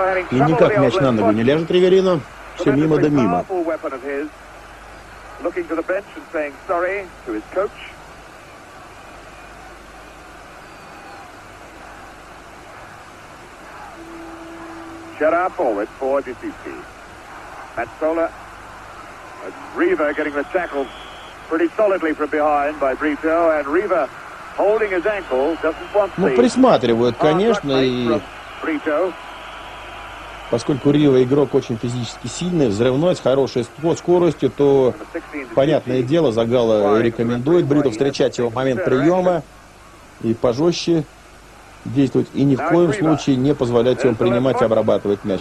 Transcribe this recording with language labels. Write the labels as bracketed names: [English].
[Russian] И никак мяч на ногу не ляжет Ривелино. Все мимо да мимо. [English] looking to the bench and saying sorry to his coach. Gerard forward for Giuseppe. Mazzola and Riva getting the tackle pretty solidly from behind by Brito, and Riva holding his ankle doesn't want to. [Russian] Ну, присматривают, конечно, и... Поскольку Рио игрок очень физически сильный, взрывной, с хорошей скоростью, то, понятное дело, Загало рекомендует Бриту встречать его в момент приема и пожестче действовать, и ни в коем случае не позволять ему принимать и обрабатывать мяч.